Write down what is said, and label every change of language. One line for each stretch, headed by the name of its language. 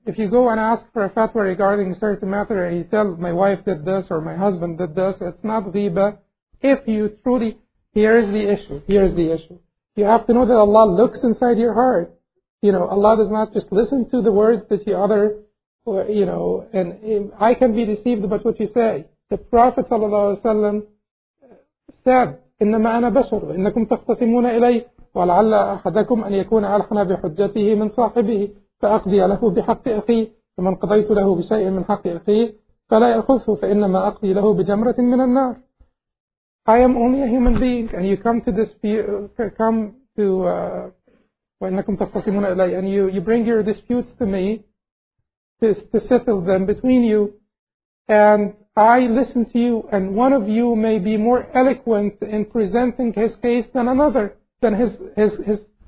English: If you go and ask for a fatwa regarding a certain matter and you tell my wife did this or my husband did this, it's not ghibah. If you truly, here is the issue. You have to know that Allah looks inside your heart. You know, Allah does not just listen to the words that you utter. You know, and I can be deceived about what you say. The Prophet ﷺ said,
Arabic: إِنَّمَا أَنَا بَشَرُ إِنَّكُمْ تَخْتَصِمُونَ إِلَيْهِ وَلَعَلَّ أَحَدَكُمْ أَنْ يَكُونَ أَلْحَنَ بِحُجَّتِهِ مِنْ صَاحِبِهِ. فأقضي له بحق أخيه، فمن قضيت له بشيء من حق أخيه فلا يأخذه، فإنما أقضي له بجمرة من النار.
English: I am only a human being and you come to dispute, come to
Arabic: وإنكم تختصمون إلي,
English: and you bring your disputes to me to settle them between you, and I listen to you, and one of you may be more eloquent in presenting his case than another, than his